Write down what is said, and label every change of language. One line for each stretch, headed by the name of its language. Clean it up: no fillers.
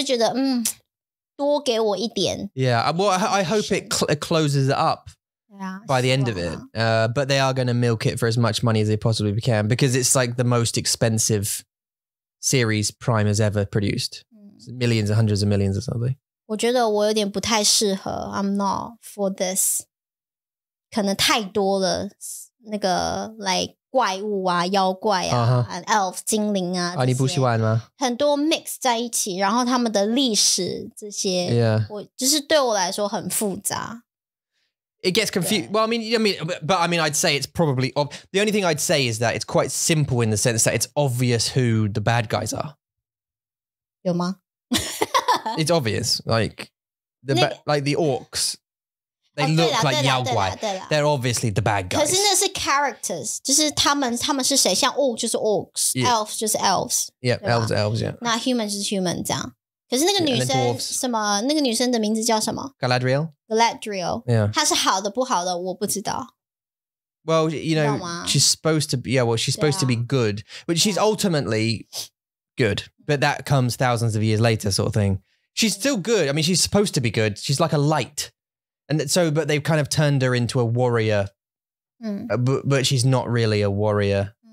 Chinese: 我没有得到很多资讯，这样我不知道你是谁，然后我都是听你说，就说你会告诉我哦，这个是谁，他以前做什么，就哦，OK。但是在那个电影，在那个电视剧里面，他没有讲，你知道吗？对对对，就觉得多给我一点。Yeah,
English: well, I hope it closes it up by the end of it. But they are going to milk it for as much money as they possibly can because it's like the most expensive series Prime has ever produced. Millions and hundreds of millions or something.
Chinese: 我觉得我有点不太适合,
English: I'm not for this.
Chinese: 可能太多了,那个, like, 怪物啊, 妖怪啊, and elf, 精灵啊, 这些, 你不喜欢吗? 很多mix在一起, 然后他们的历史, 这些,
English: yeah.
Chinese: 就是对我来说很复杂。
English: It gets confused. Well, I mean, I'd say it's probably, the only thing I'd say is that it's quite simple in the sense that it's obvious who the bad guys are.
Chinese: 有吗?
English: It's obvious. Like the orcs, They look like 妖怪.They're obviously the bad guys.
Chinese: 可是那是 characters, 就是他们是谁, 像 orc 就是 orcs, elf 就是 elves.
English: Yeah, elves, elves, yeah.
Chinese: 那 human 就是 human 这样. 可是那个女生的名字叫什么?
English: Galadriel? Galadriel. Yeah.
Chinese: 她是好的不好的, 我不知道.
English: Well, you know, she's supposed to be, yeah, well, she's supposed to be good, but she's ultimately good, but that comes thousands of years later sort of thing. She's still good. I mean, she's supposed to be good. She's like a light. And so, but they've kind of turned her into a warrior, but she's not really a warrior.